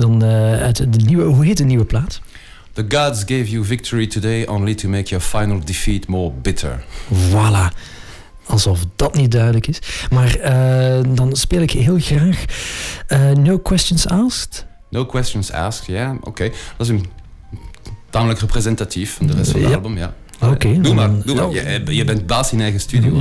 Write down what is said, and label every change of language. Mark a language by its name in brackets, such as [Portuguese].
[Dutch] Dan, uit de nieuwe, hoe heet de nieuwe plaat? [English] The gods gave you victory today only to make your final defeat more bitter. [Dutch] Voilà. Alsof dat niet duidelijk is. Maar dan speel ik heel graag No Questions Asked. No Questions Asked, ja. Oké. Okay. Dat is een tamelijk representatief van de rest van het album, ja. Oké. Okay, doe maar, doe maar. Je bent baas in eigen studio.